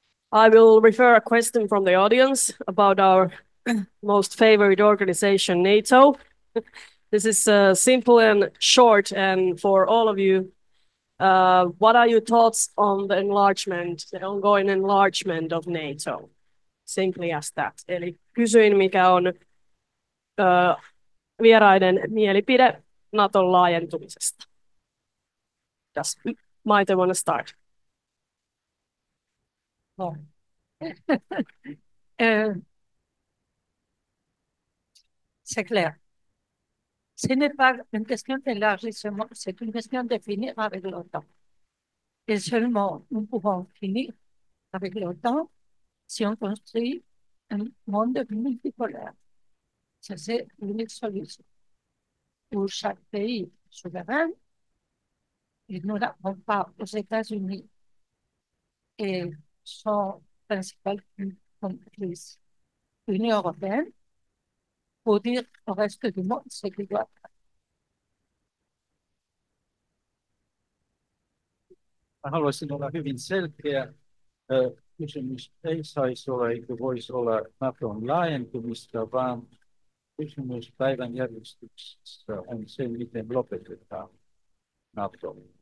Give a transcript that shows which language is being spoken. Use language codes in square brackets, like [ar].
[en] I will refer a question from the audience about our most favorite organization, NATO. This is simple and short, and for all of you, what are your thoughts on the enlargement, the ongoing enlargement of NATO? Simply as that. [fi] Eli kysyin, mikä on vieraiden mielipide NATOn laajentumisesta. [en] Does Maite want to start? [fr] C'est clair. Ce n'est pas une question d'élargissement, c'est une question de finir avec l'OTAN. Et seulement nous pouvons finir avec l'OTAN si on construit un monde multipolaire. Ça, c'est l'unique solution. Pour chaque pays souverain, et nous n'avons pas aux États-Unis et son principal complice, l'Union européenne, pour dire au reste du monde ce qu'il doit faire. [fi] Haluaisin olla hyvin selkeä. Kysymys ei saisi olla, eikö voisi olla Naton laajentumista, vaan kysymys päivän järjestyksessä on se, miten lopetetaan Nato.